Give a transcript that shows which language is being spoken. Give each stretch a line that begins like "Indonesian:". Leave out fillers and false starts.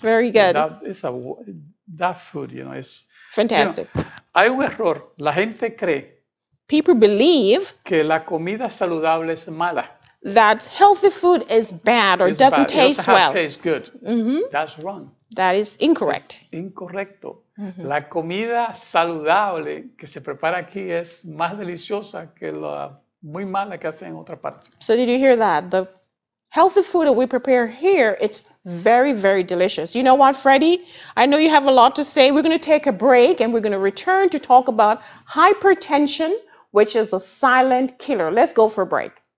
English: Very good. That food, you know, is fantastic.
Spanish: Hay un error. La gente cree.
English: People believe.
Spanish: Que la comida saludable es mala.
English: That healthy food is bad or doesn't taste well. It doesn't taste good. That's wrong. That is incorrect.
Spanish: Es incorrecto. La comida saludable que se prepara aquí es más deliciosa que la muy mala que hacen en otra parte.
English: So did you hear that? The healthy food that we prepare here, it's very, very delicious. You know what, Freddie? I know you have a lot to say. We're going to take a break and we're going to return to talk about hypertension, which is a silent killer. Let's go for a break.